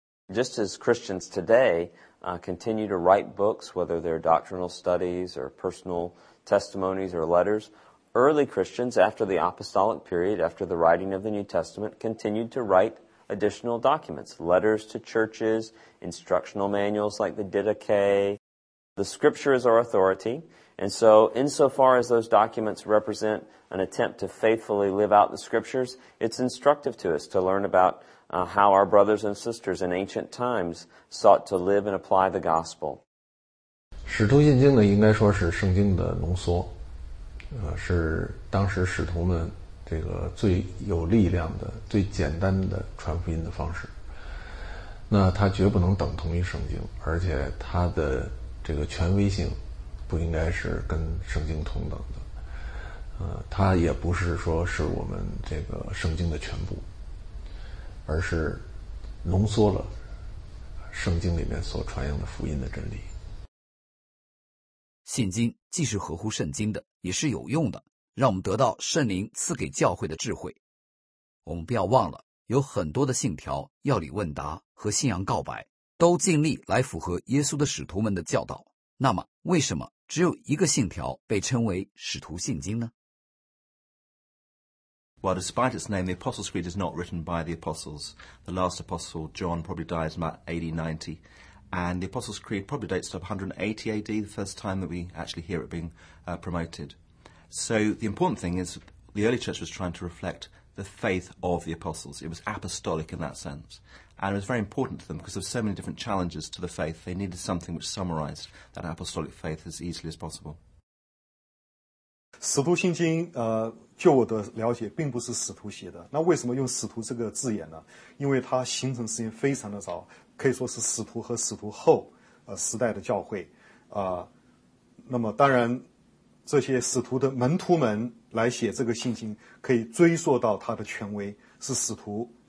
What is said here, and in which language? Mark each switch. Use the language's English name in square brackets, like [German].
[English] Just as Christians today continue to write books, whether they're doctrinal studies or personal testimonies or letters, early Christians, after the apostolic period, after the writing of the New Testament, continued to write additional documents, letters to churches, instructional manuals like the Didache. The Scripture is our authority. And so, insofar as those documents represent an attempt to faithfully live out the Scriptures, it's instructive to us to learn about how our brothers and sisters in ancient times sought to live and apply the gospel. [Chinese] 使徒信经呢，应该说是圣经的浓缩，是当时使徒们这个最有力量的、最简单的传福音的方式。那它绝不能等同于圣经，而且它的这个权威性不应该是跟圣经同等的，它也不是说是我们这个圣经的全部，而是浓缩了圣经里面所传扬的福音的真理。信经既是合乎圣经的，也是有用的，让我们得到圣灵赐给教会的智慧。我们不要忘了，有很多的信条、要理问答和信仰告白，都尽力来符合耶稣的使徒们的教导。那么为什么只有一个信条被称为使徒信经呢？ [English] Well, despite its name, the Apostles' Creed is not written by the Apostles. The last Apostle, John, probably dies about AD 90. And the Apostles' Creed probably dates to 180 AD, the first time that we actually hear it being promoted. So the important thing is the early church was trying to reflect the faith of the Apostles. It was apostolic in that sense. And it was very important to them because there were so many different challenges to the faith. They needed something which summarized that apostolic faith as easily as possible. [Chinese] 使徒信经，就我的了解，并不是使徒写的。那为什么用使徒这个字眼呢？因为它形成时间非常的早，可以说是使徒和使徒后，时代的教会，那么当然，这些使徒的门徒们来写这个信经，可以追溯到他的权威是使徒。